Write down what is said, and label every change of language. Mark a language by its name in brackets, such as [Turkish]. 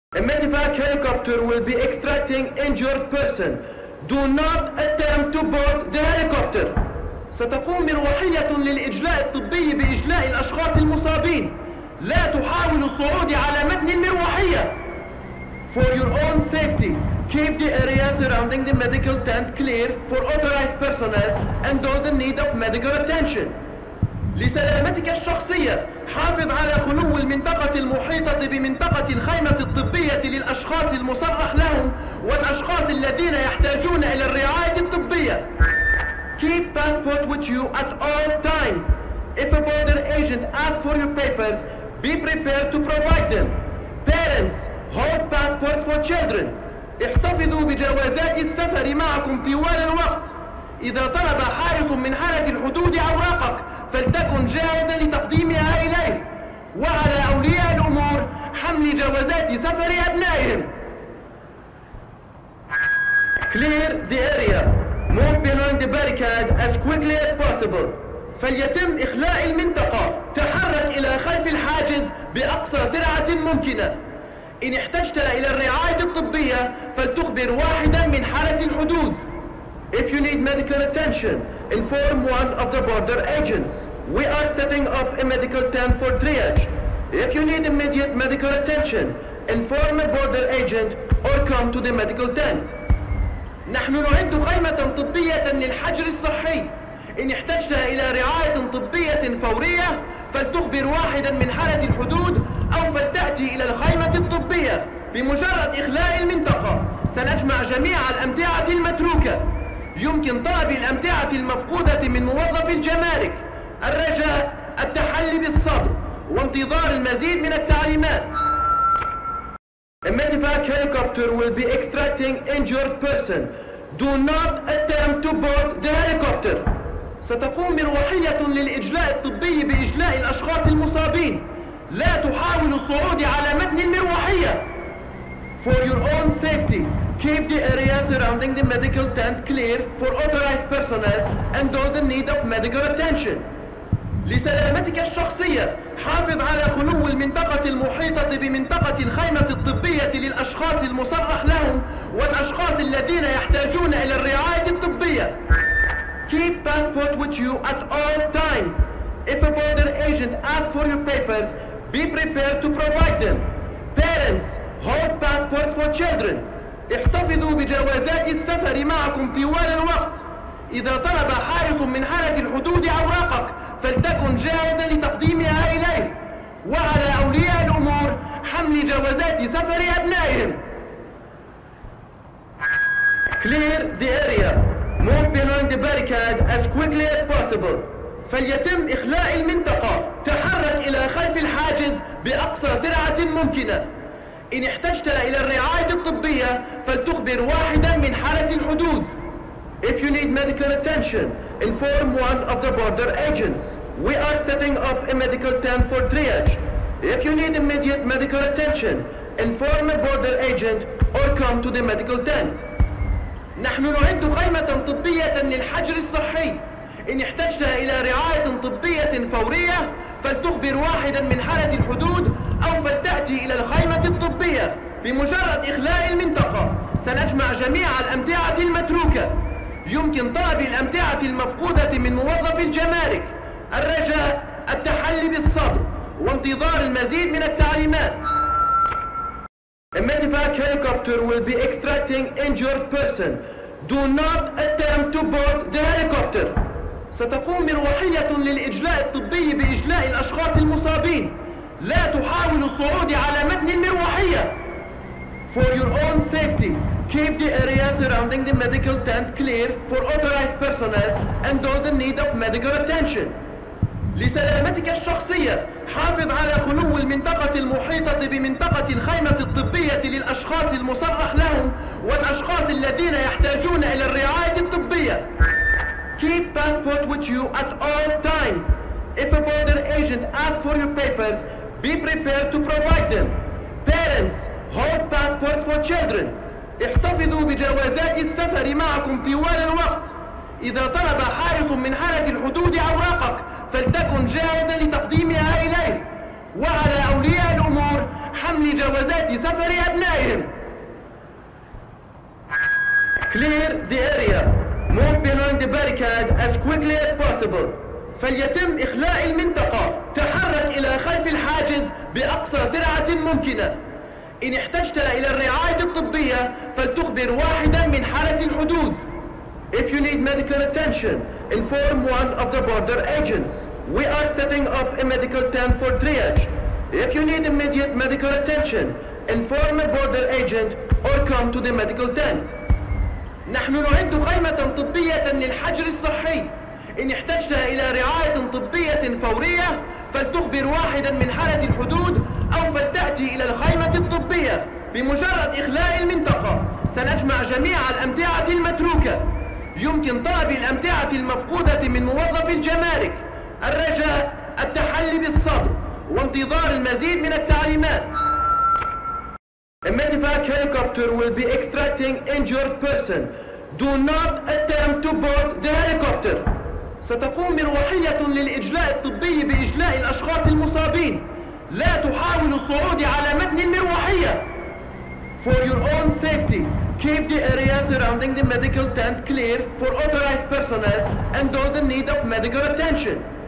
[English] Medevac helicopter will be extracting injured person. Do not attempt to board the helicopter. [Arabic] ستقوم مروحية للإجلاء الطبي بإجلاء الأشخاص المصابين. لا تحاول الصعود على متن المروحية. [English] For your own safety, keep the area surrounding the medical tent clear for authorized personnel and those in need of medical attention. [Arabic] لسلامتك الشخصية، حافظ على خلو المنطقة المحيطة بمنطقة الخيمة الطبية للأشخاص المصرح لهم والأشخاص الذين يحتاجون إلى الرعاية الطبية. [English] Keep passport with you at all times. If a border agent asks for your papers, be prepared to provide them. Parents, hold passport for children. [Arabic] احتفظوا بجوازات السفر معكم طوال الوقت. إذا طلب حارس من حرس الحدود أوراقك، فلتكن جاهزا لتقديمها إليه. وعلى أولياء الأمور حمل جوازات سفر أبنائهم. [English] Clear the area. Move behind the barricade as quickly as possible. [Arabic] فليتم إخلاء المنطقة. تحرك إلى خلف الحاجز بأقصى سرعة ممكنة. إن احتجت إلى الرعاية الطبية فلتخبر واحدا من حرس الحدود. [English] If you need medical attention, inform one of the border agents. We are setting up a medical tent for triage. If you need immediate medical attention, inform a border agent or come to the medical tent. [Arabic] نحن نعد خيمة طبية للحجر الصحي. إن احتجت إلى رعاية طبية فورية فلتخبر واحدا من حرس الحدود أو فلتأتي إلى الخيمة الطبية. بمجرد إخلاء المنطقة سنجمع جميع الأمتعة المتروكة. يمكن طلب الأمتعة المفقودة من موظف الجمارك. الرجاء التحلي بالصبر وانتظار المزيد من التعليمات. [English] A medevac helicopter will be extracting injured person. Do not attempt to board the helicopter. [Arabic] ستقوم مروحية للإجلاء الطبي بإجلاء الأشخاص المصابين. لا تحاول الصعود على متن المروحية. [English] For your own safety, keep the area surrounding the medical tent clear for authorized personnel and those in need of medical attention. [Arabic] لسلامتك الشخصية، حافظ على خلو المنطقة المحيطة بمنطقة الخيمة الطبية للأشخاص المصرح لهم والأشخاص الذين يحتاجون إلى الرعاية الطبية. [English] Keep passport with you at all times. If a border agent asks for your papers, be prepared to provide them. Parents, hold passport for children. [Arabic] احتفظوا بجوازات السفر معكم طوال الوقت. إذا طلب حارس من حرس الحدود أوراقك، فلتكن جاهزا لتقديمها إليه. وعلى أولياء الأمور حمل جوازات سفر أبنائهم. [English] Clear the area. Move behind the barricade as quickly as possible. [Arabic] فليتم إخلاء المنطقة. تحرك إلى خلف الحاجز بأقصى سرعة ممكنة. إن احتجت إلى الرعاية الطبية فلتخبر واحدا من حرس الحدود. [English] If you need medical attention, inform one of the border agents. We are setting up a medical tent for triage. If you need immediate medical attention, inform a border agent or come to the medical tent. [Arabic] نحن نعد خيمة طبية للحجر الصحي. إن احتجت إلى رعاية طبية فورية فلتخبر واحدا من حرس الحدود أو فلتأتي إلى الخيمة الطبية. بمجرد إخلاء المنطقة سنجمع جميع الأمتعة المتروكة. يمكن طلب الأمتعة المفقودة من موظف الجمارك. الرجاء التحلي بالصبر وانتظار المزيد من التعليمات. [English] A medevac helicopter will be extracting injured person. Do not attempt to board the helicopter. [Arabic] ستقوم مروحية للإجلاء الطبي بإجلاء الأشخاص المصابين. لا تحاول الصعود على متن المروحية. [English] For your own safety, keep the area surrounding the medical tent clear for authorized personnel and those in need of medical attention. [Arabic] لسلامتك الشخصية، حافظ على خلو المنطقة المحيطة بمنطقة الخيمة الطبية للأشخاص المصرح لهم والأشخاص الذين يحتاجون إلى الرعاية الطبية. [English] Keep passport with you at all times. If a border agent asks for your papers, be prepared to provide them. Parents, hold passport for children. [Arabic] احتفظوا بجوازات السفر معكم طوال الوقت. إذا طلب حارس من حرس الحدود أوراقك، فلتكن جاهزا لتقديمها إليه. وعلى أولياء الأمور حمل جوازات سفر أبنائهم. [English] Clear the area. Move behind the barricade as quickly as possible. [Arabic] فليتم إخلاء المنطقة. تحرك إلى خلف الحاجز بأقصى سرعة ممكنة. إن احتجت إلى الرعاية الطبية فلتخبر واحدا من حرس الحدود. [English] If you need medical attention, inform one of the border agents. We are setting up a medical tent for triage. If you need immediate medical attention, inform a border agent or come to the medical tent. [Arabic] نحن نعد خيمة طبية للحجر الصحي. إن احتجت إلى رعاية طبية فورية فلتخبر واحدا من حرس الحدود أو فلتأتي إلى الخيمة الطبية. بمجرد إخلاء المنطقة سنجمع جميع الأمتعة المتروكة. يمكن طلب الأمتعة المفقودة من موظف الجمارك. الرجاء التحلي بالصبر وانتظار المزيد من التعليمات. [English] A medevac helicopter will be extracting injured person. Do not attempt to board the helicopter. [Arabic] ستقوم مروحية للإجلاء الطبي بإجلاء الأشخاص المصابين. لا تحاول الصعود على متن المروحية. [English] For your own safety, keep the area surrounding the medical tent clear for authorized personnel and those in need of medical attention.